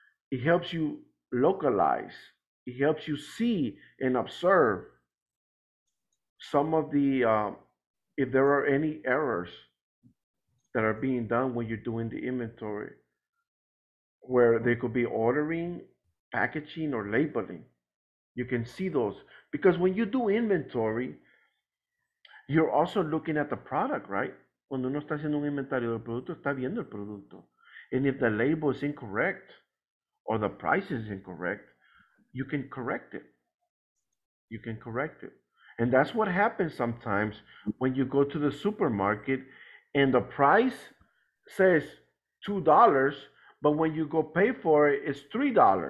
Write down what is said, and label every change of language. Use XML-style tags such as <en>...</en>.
<en>It helps you localize. It helps you see and observe some of the, if there are any errors that are being done when you're doing the inventory, where they could be ordering, packaging, or labeling. You can see those. Because when you do inventory, you're also looking at the product, right?</en> <es>Cuando uno está haciendo un inventario del producto, está viendo el producto.</es> <en>And if the label is incorrect, or the price is incorrect, you can correct it. You can correct it. And that's what happens sometimes when you go to the supermarket and the price says $2, but when you go pay for it, it's $3.</en>